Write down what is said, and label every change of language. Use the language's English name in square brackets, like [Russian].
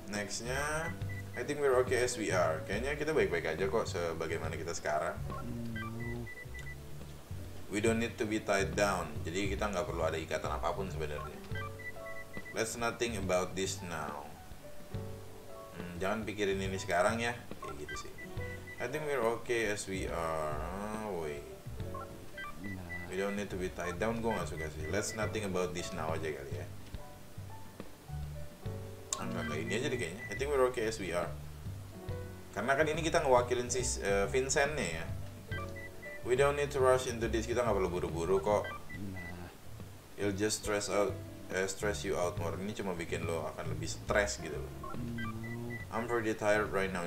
[English] Nextnya, I think we're okay as we are. [Indonesian] Kayaknya kita baik-baik aja kok sebagaimana kita sekarang. [English] We don't need to be tied down. [Indonesian] Jadi kita gak perlu ada ikatan apapun sebenarnya. [English] Let's not think about this now. [Indonesian] Jangan pikirin ini sekarang ya. Kayak gitu sih. [English] I think we're okay as we are. Oh, wait. We don't need to be tied down. [Indonesian] Gue gak suka sih. [English] Let's not think about this now [Indonesian] aja kali ya. Enggak, ini aja deh kayaknya. [English] I think we're okay as we are. [Indonesian] Karena kan ini kita ngewakilin si Vincent-nya ya. [English] We don't need to rush into this. [Indonesian] Kita gak perlu buru-buru kok. [English] It'll just stress you out more. [Indonesian] Ini cuma bikin lo akan lebih stress gitu loh. [English] I'm pretty tired right now.